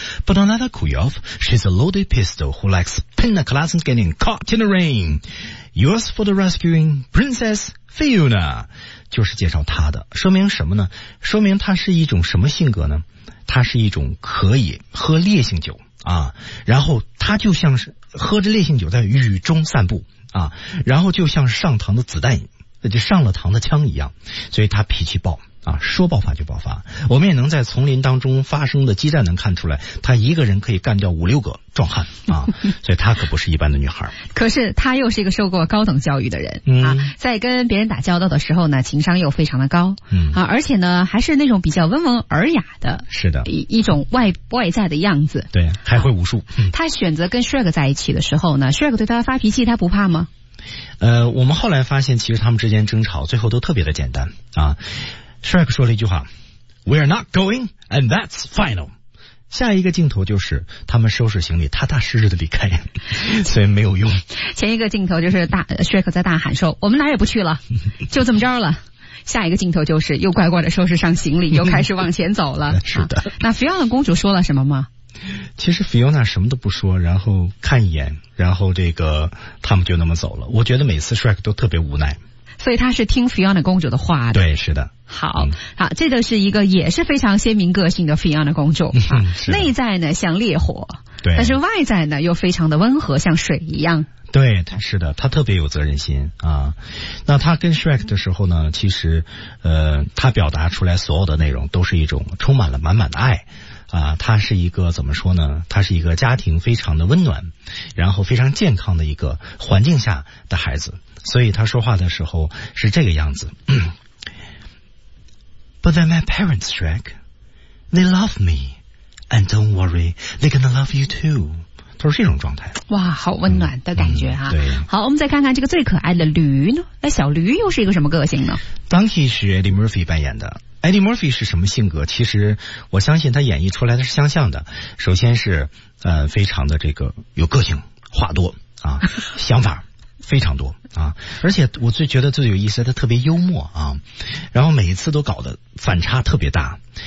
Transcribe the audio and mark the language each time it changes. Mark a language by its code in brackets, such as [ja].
[en] But on another Kuyov, she's a loaded pistol who likes pina coladas and getting caught in the rain. Yours for the rescuing, Princess Fiona. [zh] 就是介绍她的，说明什么呢？说明她是一种什么性格呢？她是一种可以喝烈性酒啊，然后她就像是喝着烈性酒在雨中散步啊，然后就像上膛的子弹瘾。那就上了膛的枪一样，所以他脾气爆啊，说爆发就爆发。我们也能在丛林当中发生的激战能看出来，他一个人可以干掉五六个壮汉啊，所以他可不是一般的女孩。可是他又是一个受过高等教育的人、啊，在跟别人打交道的时候呢，情商又非常的高，嗯啊，而且呢还是那种比较温文尔雅的，是的，一种外在的样子，对，还会武术。啊嗯、他选择跟 Shrek 在一起的时候呢 ，Shrek 对他发脾气，他不怕吗？我们后来发现其实他们之间争吵最后都特别的简单啊。 Shrek 说了一句话 [en] We are not going and that's final。 [zh] 下一个镜头就是他们收拾行李踏踏实实的离开，所以没有用。前一个镜头就是Shrek 在大喊说我们哪也不去了，就这么着了。下一个镜头就是又乖乖的收拾上行李又开始往前走了。是的、啊、那 Fiona 公主说了什么吗？其实 Fiona 什么都不说，然后看一眼，然后这个他们就那么走了。我觉得每次 Shrek 都特别无奈，所以他是听 Fiona 公主的话的。对，是的。好、嗯、好，这就是一个也是非常鲜明个性的 Fiona 公主、啊、内在呢像烈火，对，但是外在呢又非常的温和，像水一样。对，是的，他特别有责任心啊。那他跟 Shrek 的时候呢，其实他表达出来所有的内容都是一种充满了满满的爱啊，他是一个怎么说呢？他是一个家庭非常的温暖，然后非常健康的一个环境下的孩子，所以他说话的时候是这个样子。 [en] But then my parents, Shrek, they love me, and don't worry, they're gonna love you too. [zh] 都是这种状态。哇，好温暖的感觉啊、嗯嗯！对，好，我们再看看这个最可爱的驴呢？那小驴又是一个什么个性呢？Donkey 是 Eddie Murphy 扮演的。Eddie Murphy 是什么性格？其实我相信他演绎出来的是相像的。首先是非常的这个有个性，话多啊，想法非常多啊，而且我最觉得最有意思，他特别幽默啊，然后每一次都搞得反差特别大。